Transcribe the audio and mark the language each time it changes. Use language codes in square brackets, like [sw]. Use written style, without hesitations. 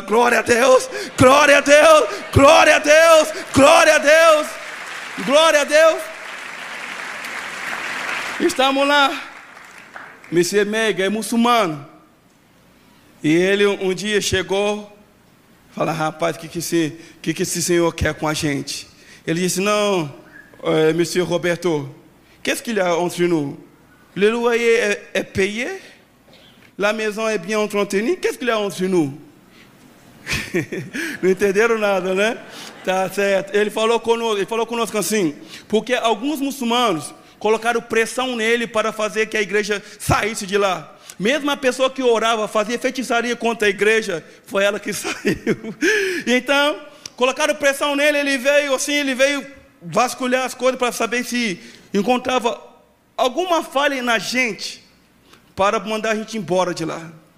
[pt] Glória a Deus! Glória a Deus! Glória a Deus! Glória a Deus! Glória a Deus! Estamos lá, Mr. Mega é muçulmano, e ele um dia chegou, fala, rapaz, o que esse senhor quer com a gente? Ele disse, não, é, Mr. [fr] Roberto, qu'est-ce qu'il y a entre nous? Le loyer est payé? La maison est bien entretenue? Qu'est-ce qu'il y a entre nous? [pt] Não entenderam nada, né? Tá certo, ele falou conosco assim, porque alguns muçulmanos, colocaram pressão nele para fazer que a igreja saísse de lá. Mesmo a pessoa que orava, fazia feitiçaria contra a igreja, foi ela que saiu. Então, colocaram pressão nele, ele veio vasculhar as coisas para saber se encontrava alguma falha na gente para mandar a gente embora de lá.